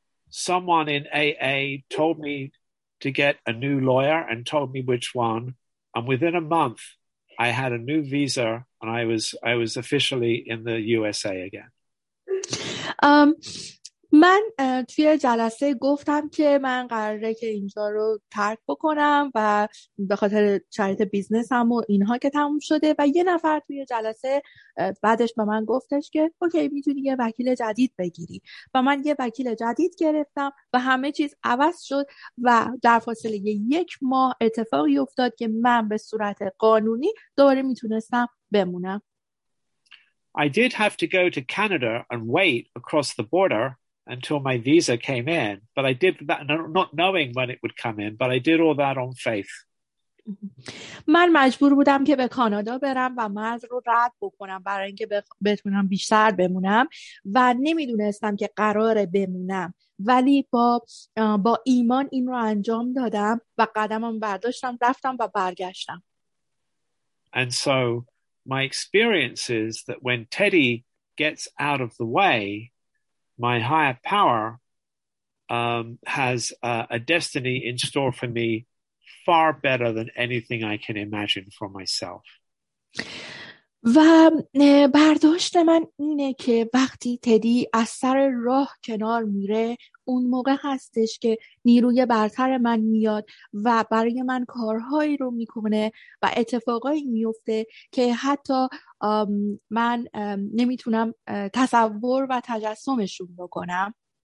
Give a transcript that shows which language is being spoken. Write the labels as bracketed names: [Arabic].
[English] Someone in AA told me to get a new lawyer and told me which one. And within a month, I had a new visa and I was officially in the USA again. [Persian] من توی جلسه گفتم که من قراره که اینجا رو ترک بکنم و به خاطر شرایط بیزنسم و اینها که تموم شده و یه نفر توی جلسه بعدش به من گفتش که اوکی میتونی یه وکیل جدید بگیری و من یه وکیل جدید گرفتم و همه چیز عوض شد و در فاصله یک ماه اتفاقی افتاد که من به صورت قانونی دوباره میتونستم بمونم. [English] I did have to go to Canada and wait across the border until my visa came in, but I did that not knowing when it would come in, but I did all that on faith. [Persian] من مجبور بودم که به کانادا برم و مرز رو رد بکنم برای اینکه بتونم بیشتر بمونم و نمیدونستم که قراره بمونم ولی با ایمان این رو انجام دادم و قدمم برداشتم رفتم و برگشتم. [English] And so my experience is that when Teddy gets out of the way, my higher power has a destiny in store for me far better than anything I can imagine for myself. [Persian] و برداشت من اینه که وقتی تدی از سر راه کنار میره اون موقع هستش که نیروی برتر من میاد و برای من کارهایی رو میکنه و اتفاقایی میفته که حتی من نمیتونم تصور و تجسمشون بکنم.